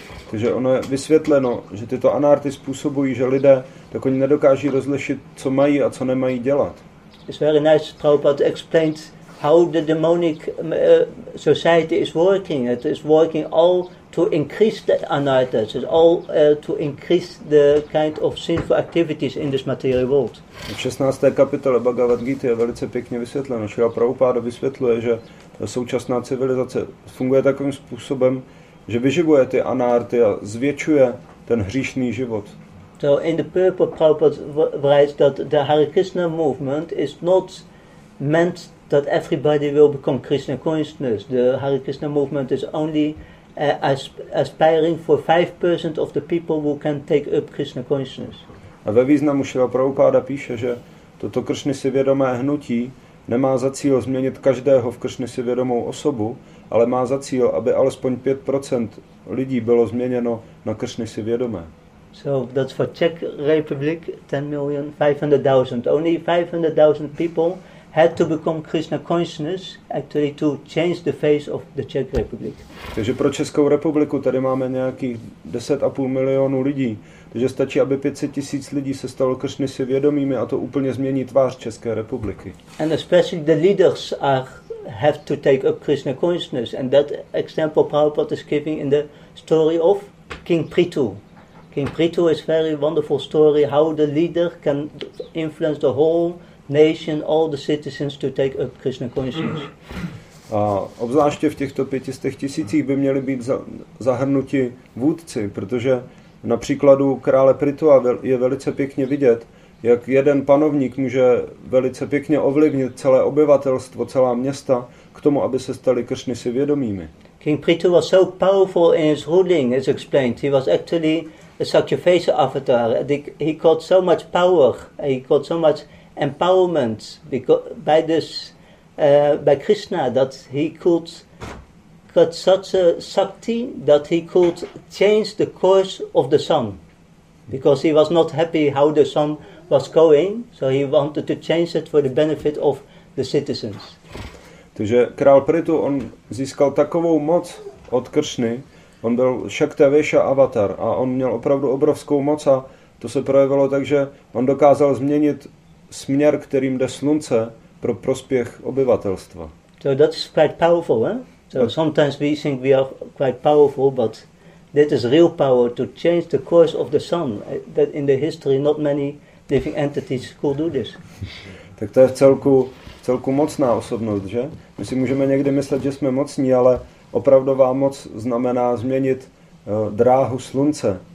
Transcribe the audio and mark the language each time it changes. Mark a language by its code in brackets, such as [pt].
[cs] Takže ono je vysvětleno, že tyto anárty způsobují, že lidé tak oni nedokáží rozlišit, co mají a co nemají dělat. [en] It's very nice Prabhupada explains how the demonic society is working. It is working all to increase the anattas. It's all to increase the kind of sinful activities in this material world. [cs] V 16. kapitole Bhagavad Gita je velice pěkně vysvětleno. Šila Prabhupada vysvětluje, že současná civilizace funguje takovým způsobem, že vyživuje ty anárty a zvětšuje ten hříšný život. [en] So in the purport Prabhupada writes that the Hare Krishna movement is not meant that everybody will become Krishna consciousness. The Hare Krishna movement is only aspiring for 5% of the people who can take up Krishna consciousness. [cs] A ve významu Šila Prabhupada píše, že toto Krishna si vědomé hnutí nemá za cíl změnit každého v Krishna si vědomou osobu, ale má za cíl, aby alespoň 5% lidí bylo změněno na Krishna si vědomé. [en] So that's for Czech Republic, 10,500,000. Only 500,000 people had to become Krishna consciousness actually to change the face of the Czech Republic. [cs] Takže pro Českou republiku tady máme nějakých 10,5 milionů lidí. Takže stačí, aby 500 tisíc lidí se stalo Krishna si vědomými a to úplně změní tvář České republiky. [en] And especially the leaders have to take up Krishna consciousness. And that example Prabhupada is giving in the story of King Prithu. King Prithu is a very wonderful story how the leader can influence the whole nation, all the citizens to take up Krishna consciousness. [cs] A obzvláště v těchto 500 tisících by měli být zahrnuti vůdci, protože na příkladu krále Prithua je velice pěkně vidět, jak jeden panovník může velice pěkně ovlivnit celé obyvatelstvo, celá města k tomu, aby se stali Krishna si vědomými. [en] King Prithu was so powerful in his ruling, as explained. He was actually a sacrifice avatar. He got so much power, he got so much empowerment by this, by Krishna, that he could got such a sakti that he could change the course of the sun. Because he was not happy how the sun was going, so he wanted to change it for the benefit of the citizens. [cs] Takže král Prithu, on získal takovou moc od Kršny. On byl Shaktavesha avatar a on měl opravdu obrovskou moc a to se projevilo tak, že on dokázal změnit směr, kterým jde slunce pro prospěch obyvatelstva. [en] So that's quite powerful, eh? So sometimes we think we are quite powerful, but that is real power to change the course of the sun. That in the history not many living entities could do this. [cs] Tak to je celku mocná osobnost, že? My si můžeme někdy myslet, že jsme mocní, ale opravdová moc znamená změnit dráhu slunce.